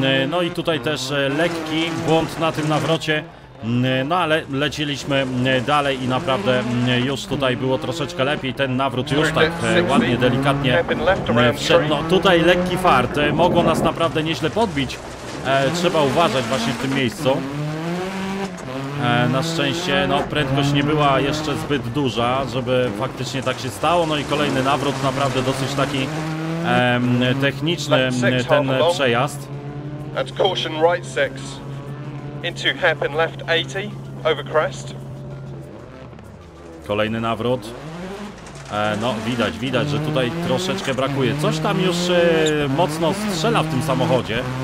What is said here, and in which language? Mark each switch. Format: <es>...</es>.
<pl>No i tutaj też lekki błąd na tym nawrocie, no ale lecieliśmy dalej i naprawdę już tutaj było troszeczkę lepiej, ten nawrót już tak ładnie, delikatnie wszedł, no tutaj lekki fart, mogło nas naprawdę nieźle podbić, trzeba uważać właśnie w tym miejscu, na szczęście no prędkość nie była jeszcze zbyt duża, żeby faktycznie tak się stało, no i kolejny nawrót, naprawdę dosyć taki techniczny ten przejazd.</pl> <en>And caution right 6, into hairpin left 80, over crest.</en> <pl>Kolejny nawrót. No widać, że tutaj troszeczkę brakuje. Coś tam już mocno strzela w tym samochodzie.</pl>